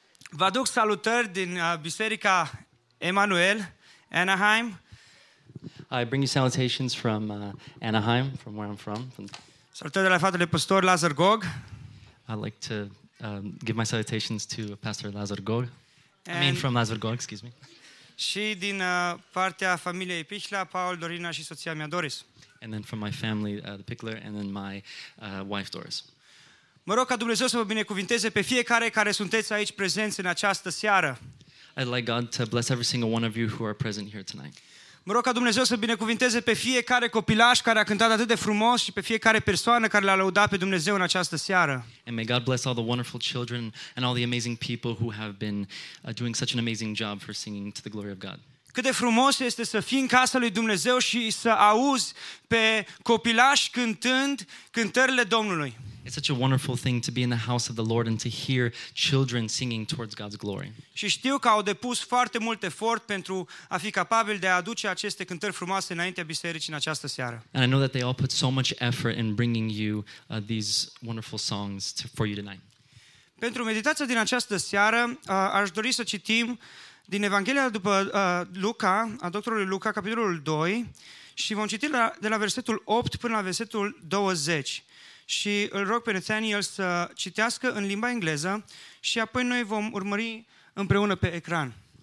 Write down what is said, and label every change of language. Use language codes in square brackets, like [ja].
[ro] vă aduc salutări din Biserica Emanuel, Anaheim. [en] I bring you salutations from Anaheim, from where I'm from. [ro] Salutări de la fratele pastor Lazar Gog. [en] I'd like to give my salutations to Pastor Lazar Gog. From Lazar Gog, excuse me. [ro] Și din partea familiei Pichla, Paul, Dorina și soția mea Doris. [en] And then from my family, the Pichler, and then my wife Doris. [ro] Mă rog ca Dumnezeu să vă binecuvinteze pe fiecare care sunteți aici prezenți în această seară. [en] I'd like God to bless every single one of you who are present here tonight. [ro] Mă rog ca Dumnezeu să binecuvinteze pe fiecare copilaș care a cântat atât de frumos și pe fiecare persoană care l-a lăudat pe Dumnezeu în această seară. [en] And may God bless all the wonderful children and all the amazing people who have been doing such an amazing job for singing to the glory of God. [ro] Cât de frumos este să fii în casa lui Dumnezeu și să auzi pe copilaș cântând cântările Domnului. [en] It's such a wonderful thing to be in the house of the Lord and to hear children singing towards God's glory. [ro] Și știu că au depus foarte mult efort pentru a fi capabil de a aduce aceste cântări frumoase înaintea bisericii în această seară. [en] And I know that they all put so much effort in bringing you these wonderful songs for you tonight. [ro] Pentru meditația din această seară, aș dori să citim din Evanghelia după Luca, a doctorului Luca, capitolul 2, și vom citi de la versetul 8 până la versetul 20. Și îl rog pe Nathaniel să citească în limba engleză și apoi noi vom urmări împreună pe ecran.